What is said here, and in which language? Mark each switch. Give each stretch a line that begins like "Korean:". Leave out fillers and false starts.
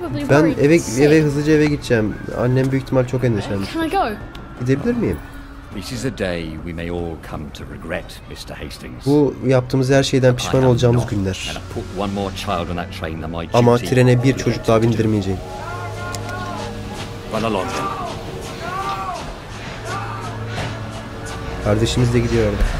Turkish: Ben eve hızlıca eve gideceğim. Annem büyük ihtimal çok endişelenmiş. Gidebilir miyim?
English: This is a day we may all come to regret, Mr. Hastings.
Turkish: Bu yaptığımız her şeyden pişman olacağımız günler. Ama trene bir çocuk daha bindirmeyeceğim. Kardeşimiz de gidiyor.